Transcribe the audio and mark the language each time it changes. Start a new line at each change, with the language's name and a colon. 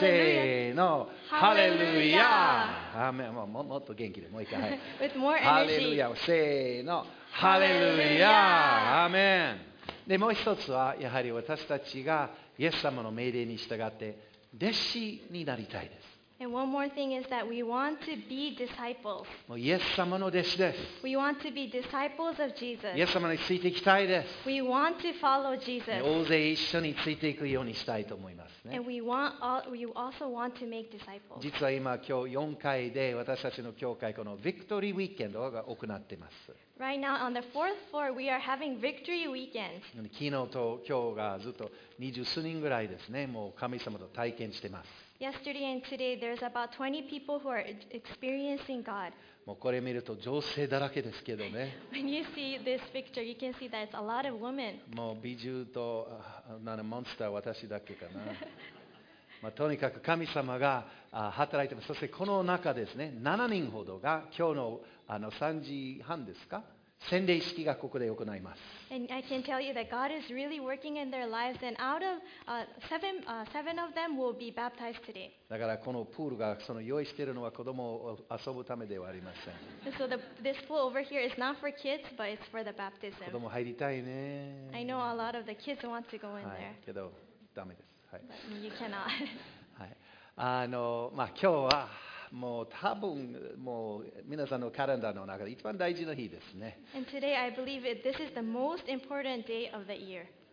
English: せーの Hallelujah! Amen.
Japanese: もっと元気で、もう一回。はい、
English: With more energy. Hallelujah! せーの Hallelujah! Amen.
Japanese: でもう一つはやはり私たちがイエス様の命令に従って弟子になりたいです。
English: And one more thing is that we want to be disciples.
Japanese: もうイエス様の弟子です。
English: We want to be disciples of Jesus.
Japanese: イエス様についていきたいです。
English: We want to follow Jesus.
Japanese: 大勢一緒についていくようにしたいと思いますね。
English: And we also want to make disciples.
Japanese: 実は今今日4回で私たちの教会このビクトリーウィークエンドが行っています。
English: Right now on the fourth floor we are having victory weekend.
Japanese: 昨日と今日がずっと20数人ぐらいですね。もう神様と体験してます。
English: Yesterday and today, there's about 20 people who are experiencing God.
Japanese: もうこれ見ると女性だらけですけどね。
English: When you see this picture, you can see that it's a lot of women.
Japanese: もう美獣と、なんかモンスター、私だけかな。まあ、とにかく神様が働いてます。そしてこの中ですね、7人ほどが今日の、3時半ですか? 洗礼式がここで行います。
English: And I can tell you that God is really working in their lives, and out of seven of them will be baptized today.
Japanese: だからこのプールがその用意しているのは子供を遊ぶためではありません。
English: So this pool over here is not for kids, but it's for the baptism.
Japanese: 子供入りたいね。
English: I know a lot of the kids want to go in there.
Japanese: はい、けどダメです。はい。
English: But you cannot.
Japanese: はい。まあ今日は。もう多分もう皆さんのカレンダーの中で一番大事な日ですね。
English: And today I believe it, this is the most important day of the year.